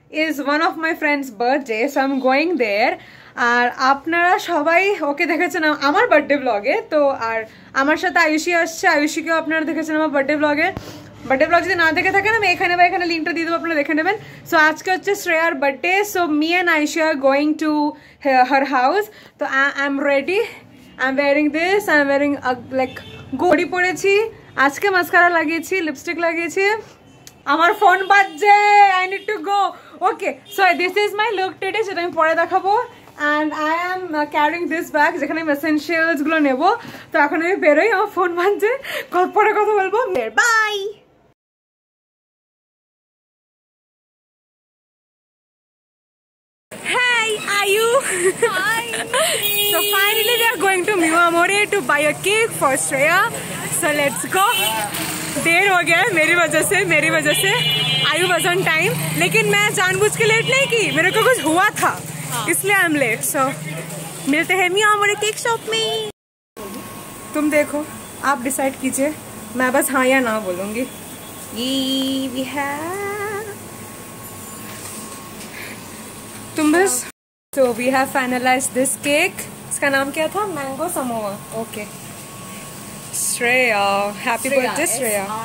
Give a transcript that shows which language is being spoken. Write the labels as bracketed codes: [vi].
[en] Birthday, so I'm going there. [bn] আর আপনারা সবাই ওকে দেখেছেন আমার বার্থডে ব্লগে, তো আর আমার সাথে আয়ুষী আসছে, আয়ুষীকেও আপনারা দেখেছেন আমার বার্থডে ব্লগে। বার্থডে ব্লগ যদি না দেখে থাকেন আমি এখানে বা এখানে লিঙ্কটা দিয়ে দেবো, আপনারা দেখে নেবেন। সো আজকে হচ্ছে শ্রেয়ার birthday, [en] So me and Ayushi are going to her house. তো I am ready, I am wearing this, I am wearing like [bn] গোড়ি পরেছি, আজকে মাস্কারা লাগিয়েছি, লিপস্টিক লাগিয়েছি, আমার ফোন বাজছে, [en] I need to go. Okay, so this is my look today, [bn] সেটা আমি পরে দেখাবো। [en] and I am carrying this bag, [bn] যেখানে আমি এসেন্সিয়ালসগুলো নেবো। তো এখন আমি বেরোই, আমার ফোন বাজছে, পরে কথা বলবো, by. [en] Hi. So finally we are going to Miwamori to buy a cake for Shreya. So let's go. [hi] देर हो गया है मेरी वजह से, मेरी वजह से [en] I was on time, [hi] लेकिन मैं जानबूझ के लेट नहीं की, मेरे को कुछ हुआ था इसलिए [en] I am late. [hi] सो मिलते हैं Miwamori केक शॉप में। तुम देखो, आप डिसाइड कीजिए, मैं बस हाँ या ना बोलूंगी। [en] we [hi] तुम बस। [en] so we have finalised this cake, [hi] इसका नाम क्या था, [en] Mango समोवा। Okay Shreya, happy birthday Shreya.